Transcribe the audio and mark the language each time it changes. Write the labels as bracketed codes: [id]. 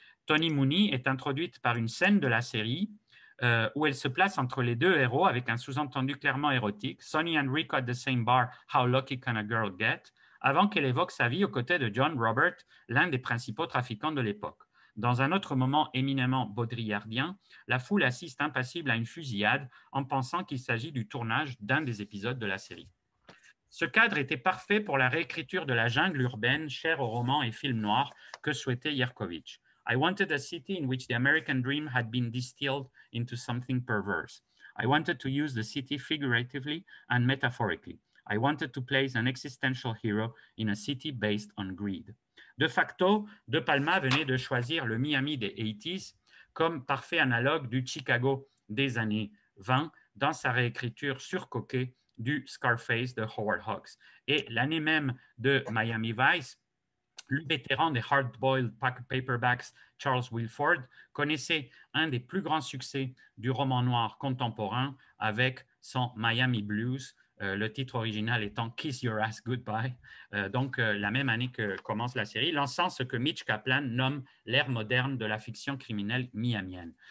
[fr] Toni Mooney est introduite par une scène de la série, où elle se place entre les deux héros avec un sous-entendu clairement érotique, [en] Sonny and Rico at the same bar, How lucky can a girl get, [fr] avant qu'elle évoque sa vie aux côtés de John Robert, l'un des principaux trafiquants de l'époque. Dans un autre moment éminemment baudrillardien, la foule assiste impassible à une fusillade en pensant qu'il s'agit du tournage d'un des épisodes de la série. Ce cadre était parfait pour la réécriture de la jungle urbaine chère aux romans et films noirs que souhaitait Yerkovitch. [en] I wanted a city in which the American dream had been distilled into something perverse. I wanted to use the city figuratively and metaphorically. I wanted to place an existential hero in a city based on greed. [fr] De facto, De Palma venait de choisir le Miami des 80s comme parfait analogue du Chicago des années 20 dans sa réécriture surcoquée du Scarface de Howard Hawks. Et l'année même de Miami Vice, le vétéran des hard-boiled paperbacks Charles Wilford connaissait un des plus grands succès du roman noir contemporain avec son Miami Blues, le titre original étant Kiss Your Ass Goodbye, la même année que commence la série, lançant ce que Mitch Kaplan nomme l'ère moderne de la fiction criminelle miamienne.